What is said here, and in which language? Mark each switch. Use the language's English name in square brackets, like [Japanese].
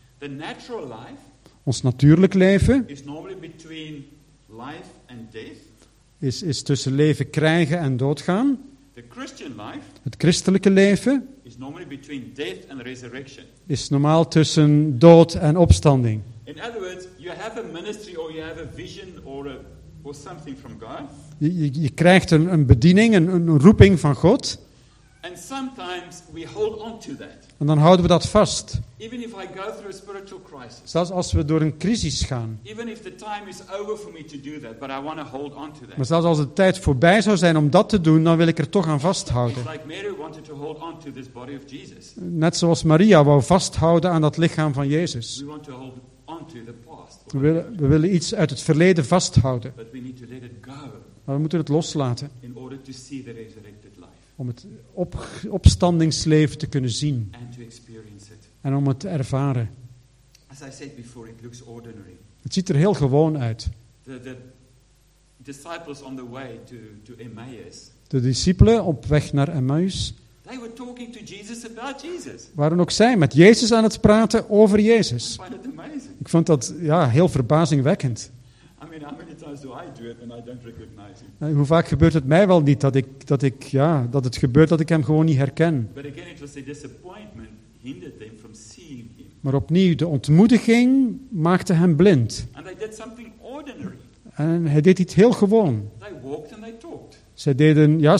[English] The natural life, [Dutch] ons natuurlijk leven [English] is, normally between life and death. [Dutch] Is tussen leven krijgen en doodgaan. [English] The Christian life, [Dutch] het christelijke leven [English] is, normally between death and resurrection. [Dutch] Is normaal tussen dood en opstanding. [English] In other words, you have a ministry or you have a vision or something from God. [Dutch] Je krijgt een bediening, een roeping van God. [English] And sometimes we hold on to that. [Dutch] En dan houden we dat vast. [English] Even if I go through a spiritual crisis. [Dutch] Zelfs als we door een crisis gaan. [English] Even if the time is over for me to do that, but I want to hold on to that. [Dutch] Maar zelfs als de tijd voorbij zou zijn om dat te doen, dan wil ik er toch aan vasthouden. [English] It's like Mary wanted to hold on to this body of Jesus. [Dutch] Net zoals Maria wou vasthouden aan dat lichaam van Jezus. [English] We want to hold [Dutch] We willen iets uit het verleden vasthouden. [English] But we need to let it go, [Dutch] maar we moeten het loslaten. [English] In order to see the resurrected life. [Dutch] Om het opstandingsleven te kunnen zien. [English] And to experience it. [Dutch] En om het te ervaren. [English] As I said before, it looks ordinary. [Dutch] Het ziet er heel gewoon uit. [English] The disciples on the way to Emmaus. [Dutch] De discipelen op weg naar Emmaus. [English] They were talking to Jesus about Jesus. [Dutch] Waren ook zij met Jezus aan het praten over Jezus. [English] I find it amazing. [Dutch] Ik vond dat heel verbazingwekkend. [English] I mean, how many times do I do it and I don't recognize him? [Dutch] Hoe vaak gebeurt het mij wel niet dat het gebeurt dat ik hem gewoon niet herken. [English] But again, it was a disappointment hindered them from seeing him. [Dutch] Maar opnieuw, de ontmoediging maakte hem blind. [English] And they did something ordinary. [Dutch] En hij deed iets heel gewoon. [English] They walked and they talked.